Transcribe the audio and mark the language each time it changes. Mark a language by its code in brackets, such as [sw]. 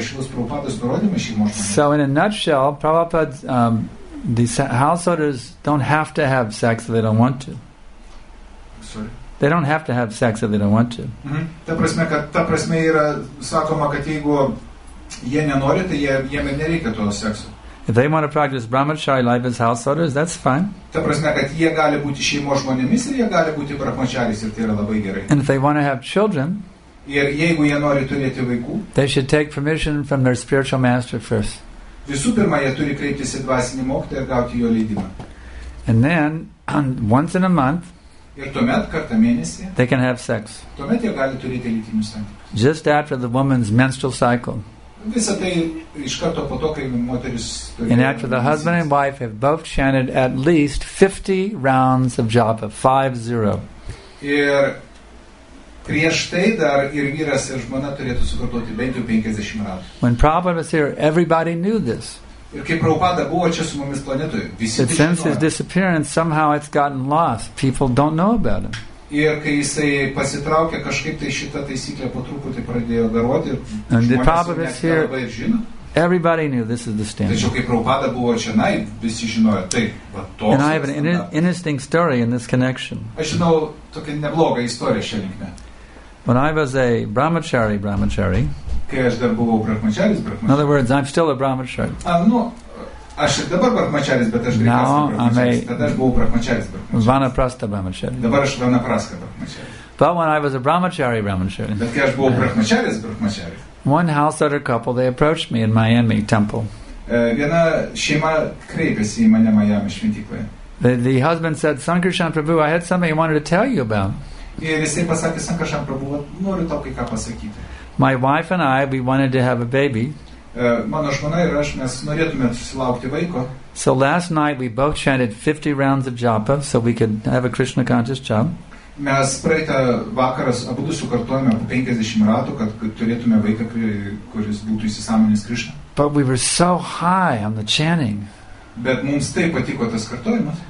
[en] So in a nutshell, Prabhupada, the householders don't have to have sex if they don't want to. Sorry? They don't have to have sex if they don't want to. [lt] Ta prasme yra sakoma, kad jeigu jie nenori, tai jiem ir nereikia to sekso. [en] If they want to practice brahmachari life as householders, that's fine. [lt] Ta prasme, kad jie gali būti šeimos žmonėmis ir jie gali būti brahmacharis ir tai yra labai gerai. [en] And if they want to have children, [lt] ir jeigu jie nori turėti vaikų, [en] they should take permission from their spiritual master first. [lt] Visų pirma, jie turi kreiptis į dvasinį mokytoją ir gauti jo leidimą. [en] And then, once in a month, [lt] ir tuomet, kartą mėnesį, [en] they can have sex. [lt] Tuomet jie gali turėti lytinius santykius. [en] Just after the woman's menstrual cycle. [lt] Visa tai iš karto po to, kai moteris... [en] And after the husband and wife have both chanted at least 50 rounds of japa, 50. [lt] Ir prieš tai dar ir vyras ir žmona turėtų sukartoti bent jau 50 rounds. [en] When Prabhupada was here, everybody knew this. [lt] Ir kai Prabhupada buvo čia su mumis planetoje, visi [en] But since his disappearance, somehow it's gotten lost. People don't know about him. [lt] Ir kai jisai pasitraukė, kažkaip tai šita taisyklė po truputį pradėjo garoti. [en] And the Prabhupada is here, everybody knew this is the standard. [lt] Tačiau kai Prabhupada buvo čianai, visi žinojo, tai, va, toks. [en] And I have an interesting story in this connection. [lt] Aš žinau tokią neblogą istoriją šia linkme. [en] When I was a brahmachari, [lt] kai aš dar buvau brahmacharis. [en] In other words, I'm still a brahmachari. [lt] Aš ir dabar brahmacharis, bet aš greikas brahmacharis. Tada aš buvau brahmacharis brahmacharis. Vanaprastha brahmacharis. Dabar aš vanaprastha brahmacharis. [en] But when I was a brahmacharis brahmacharis. [lt] Bet kai aš buvau brahmacharis brahmacharis. [en] One householder couple, they approached me in Miami temple. [lt] Viena šeima kreipėsi į mane Miami šventykloje. [en] The husband said, Sankarshan Prabhu, I had something I wanted to tell you about. [lt] Ir jisai pasakė, Sankarshan Prabhu, noriu tau kai ką pasakyti. [en] My wife and I, we wanted to have a baby. [lt] Mano žmona ir aš, mes norėtume susilaukti vaiko. [en] So last night we both chanted 50 rounds of japa so we could have a Krishna conscious job. [lt] Mes praeitą vakarą abudu sukartojame 50 ratų, kad turėtume vaiką, kuris būtų įsisąmonęs Krishna. [en] But we were so high on the chanting. [lt] Bet mums taip patiko tas kartojimas.